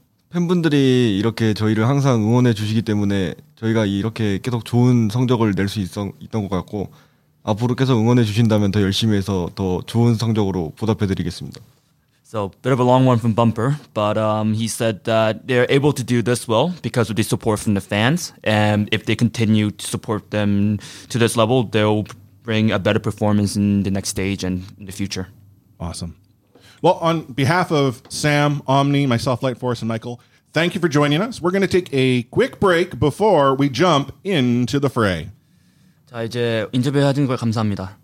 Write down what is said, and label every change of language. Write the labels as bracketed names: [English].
[Korean] 팬분들이 이렇게 저희를 항상 응원해 주시기 때문에 저희가 이렇게 계속 좋은 성적을 낼 수 있던 것 같고 앞으로 계속 응원해 주신다면 더 열심히 해서 더 좋은 성적으로 보답해 드리겠습니다. [English] So, bit of a long one from Bumper, but he said that they're able to do this well because of the support from the fans, and if they continue to support them to this level, they'll bring a better performance in the next stage and in the future. Awesome. Well, on behalf of Sam, Omni, myself, Lightforce, and Michael, thank you for joining us. We're going to take a quick break before we jump into the fray. [Korean] 자 이제 인터뷰 해준 거 감사합니다.